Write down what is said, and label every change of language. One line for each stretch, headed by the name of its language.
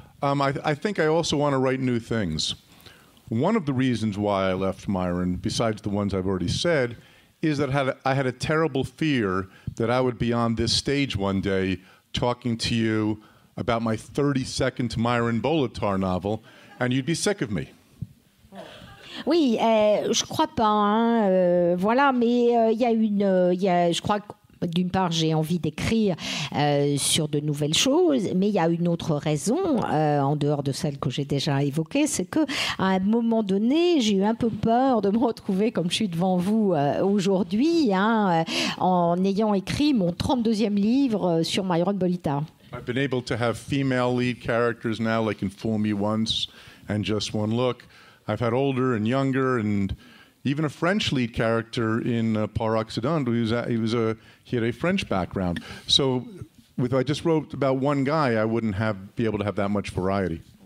English: I think I also want to write new things. One of the reasons why I left Myron, besides the ones I've already said, is that I had a terrible fear that I would be on this stage one day talking to you about my 32nd Myron Bolitar novel, and you'd be sick of me.
French: Oui, je crois pas. Hein. Voilà, mais il y a une, je crois que. D'une part, j'ai envie d'écrire sur de nouvelles choses, mais il y a une autre raison, en dehors de celle que j'ai déjà évoquée, c'est qu'à un moment donné, j'ai eu un peu peur de me retrouver comme je suis devant vous aujourd'hui, hein, en ayant écrit mon 32e livre sur Myron Bolitar.
English: I've been able to have female lead characters now, like in Fool Me Once and Just One Look. I've had older and younger and... Even a French lead character in Par Occident, he had a French background. So if I just wrote about one guy, I wouldn't be able to have that much variety.